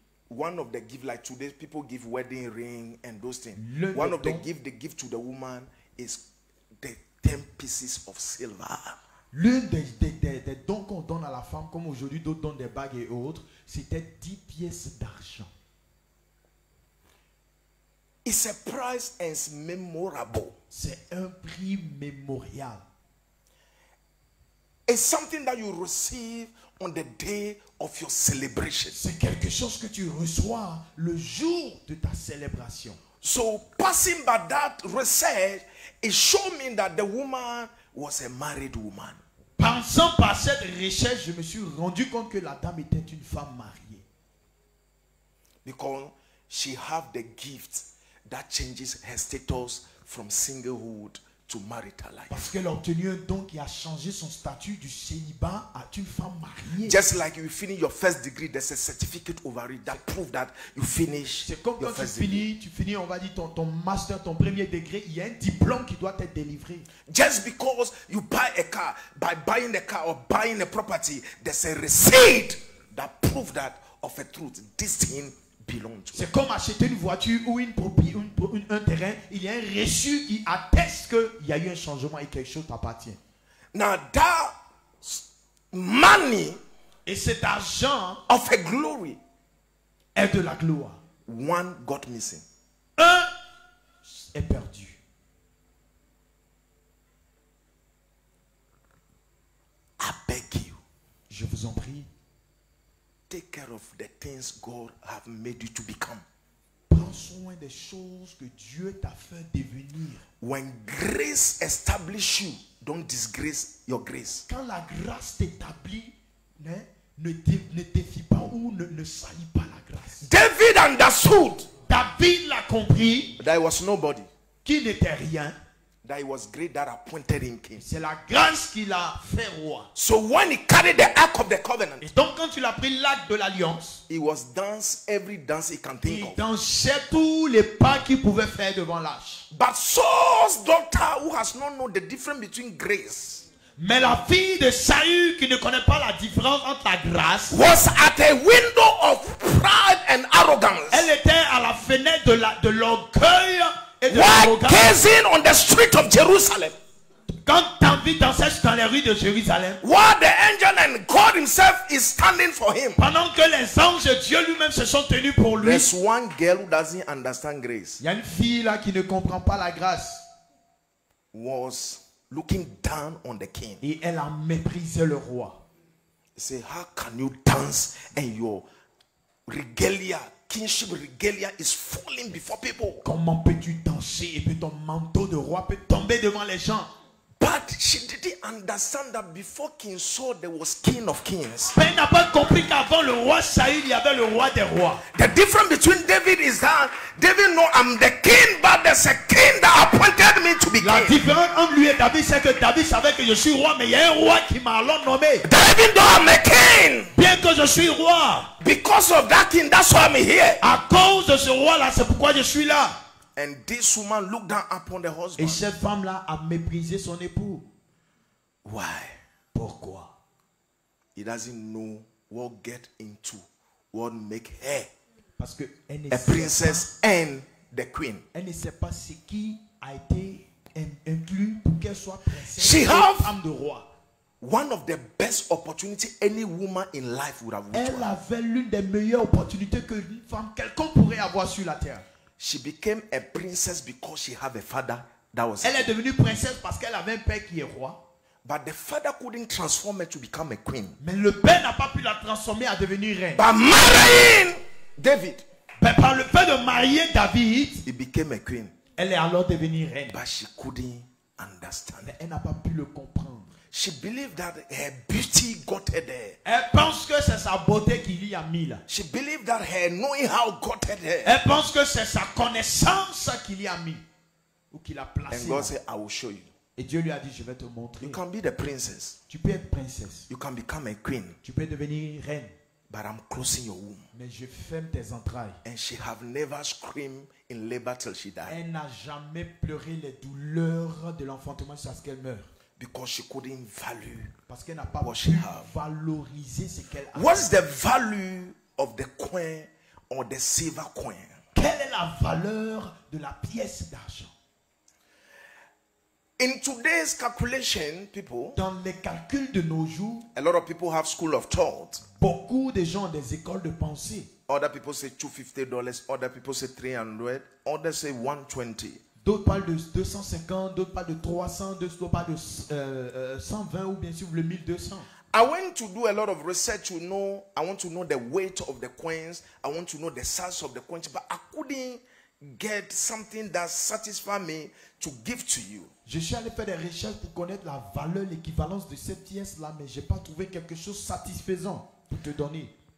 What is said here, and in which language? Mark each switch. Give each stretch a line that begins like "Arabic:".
English: one of the gift, like today, people give wedding ring and those things. One of the gift they give to the woman is the 10 pieces of silver.
French: L'un des dons qu'on donne à la femme, comme aujourd'hui d'autres donnent des bagues et autres, c'était 10 pièces d'argent.
English: It's a price and it's memorable.
French: C'est un prix mémorial.
English: It's something that you receive on the day of your celebration.
French: C'est quelque chose que tu reçois le jour de ta célébration.
English: So passing by that research, it showed me that the woman was a married woman.
French: Pensant par cette recherche, je me suis rendu compte que la dame était une femme mariée.
English: Because she have the gift that changes her status from singlehood to marital life.
French: Parce qu'elle a obtenu un don qui a changé son statut du célibat à une femme mariée.
English: Just like you finish your first degree, there's a certificate over it that prove that you finish.
French: C'est comme quand tu finis, on va dire ton master, ton premier degré, il y a un diplôme qui doit être délivré.
English: Just because you buy a car, by buying a car or buying a property, there's a receipt that prove that of a truth. This thing.
French: C'est comme acheter une voiture ou un terrain. Il y a un reçu qui atteste qu'il y a eu un changement et quelque chose t'appartient.
English: Now that money
French: et cet argent
English: of a glory
French: est de la gloire.
English: One got missing.
French: Un est perdu.
English: I beg you.
French: Je vous en prie.
English: Take care of the things God have made you to become.
French: Prends prends soin des choses que Dieu t'a fait devenir.
English: When grace establishes you, don't disgrace your grace.
French: Quand la grâce t'établit, ne défie pas ou ne salis pas la grâce.
English: David understood.
French: David l'a compris.
English: That he was nobody.
French: Qu'il n'était rien.
English: That he was great, that appointed him king.
French: C'est la grâce qui l'a fait roi.
English: So when he carried the ark of the covenant,
French: et donc quand il a pris l'acte de l'alliance,
English: he was dance every dance he can think
French: il
English: of.
French: Il dansait tous les pas qu'il pouvait faire devant l'arche.
English: But Saul's daughter, who has not known the difference between grace,
French: mais la fille de Saül qui ne connaît pas la différence entre la grâce,
English: was at a window of pride and arrogance.
French: Elle était à la fenêtre de l'orgueil.
English: While gazing on the street of Jerusalem,
French: quand David dansait dans les rues de Jérusalem,
English: while the angel and God himself is standing for him,
French: pendant que les anges et Dieu lui-même se sont tenus pour lui,
English: there's one girl who doesn't understand grace.
French: Y a une fille là qui ne comprend pas la grâce.
English: Was looking down on the king.
French: Et elle a méprisé le roi.
English: Say, how can you dance and your regalia? Kingship regalia is falling before people.
French: Comment peux-tu danser et puis ton manteau de roi peut tomber devant les gens?
English: But she didn't understand that before King Saul there was King of Kings.
French: Mais elle n'a pas compris qu'avant le roi Saül il y avait le roi des rois.
English: The difference between David is that David knows I'm the king, but there's a king that appointed me to be king.
French: La différence entre lui et David c'est que David savait que je suis roi, mais il y a un roi qui m'a alors nommé.
English: David knows I'm a king.
French: Bien que je suis roi.
English: Because of that king, that's why I'm here.
French: À cause de ce roi là, c'est pourquoi je suis là.
English: And this woman looked down upon the husband.
French: Et cette femme là a méprisé son époux.
English: Why?
French: Pourquoi?
English: He doesn't know what get into, what make her.
French: Parce que elle
English: a princess
French: pas,
English: and the queen.
French: Elle ne sait pas ce qui a été inclus pour qu'elle soit princesse.
English: She have
French: femme de roi.
English: One of the best opportunity any woman in life would have.
French: Elle avait l'une des meilleures opportunités que une femme quelconque pourrait avoir sur la terre.
English: She became a princess because she had a father that was.
French: Elle est devenue princesse parce qu'elle avait un père qui est roi.
English: But the father couldn't transform her to become a queen.
French: Mais le père n'a pas pu la transformer à devenir reine.
English: By marrying David.
French: Mais par le fait de marier David,
English: he became a queen.
French: Elle est alors devenue reine.
English: But she couldn't understand.
French: Mais elle n'a pas pu le comprendre.
English: She believed that her beauty got her there.
French: Elle pense que c'est sa beauté qui l'y a mis là.
English: She believed that her knowing how got her there.
French: Elle pense que c'est sa connaissance qui l'y a mis ou qui l'a placé.
English: And God said, I will show you.
French: Et Dieu lui a dit, je vais te montrer.
English: You can be the princess.
French: Tu peux être princesse.
English: You can become a queen.
French: Tu peux devenir reine.
English: But I'm closing your womb.
French: Mais je ferme tes entrailles.
English: And she have never screamed in labor till she died.
French: Elle n'a jamais pleuré les douleurs de l'enfantement jusqu'à ce qu'elle meure.
English: Because she couldn't value.
French: Parce qu'elle n'a pas
English: what
French: pu
English: she have.
French: Valoriser ce qu'elle a.
English: What's the value of the coin or the silver coin?
French: Quelle est la valeur de la pièce d'argent?
English: In today's calculation, people.
French: Dans les calculs de nos jours.
English: A lot of people have school of thought.
French: Beaucoup de gens ont des écoles de pensée.
English: Other people say $250. Other people say $300. Others say $120.
French: D'autres parlent de 250, d'autres parlent de 300, d'autres parlent de 120 ou bien sûr le 1200.
English: I went to do a lot of research to know. I want to know the weight of the coins. I want to know the size of the coins, but I couldn't get something that satisfied me to give to you.
French: Je suis allé faire des recherches pour connaître la valeur, l'équivalence de cette pièce là, mais j'ai pas trouvé quelque chose de satisfaisant pour te donner.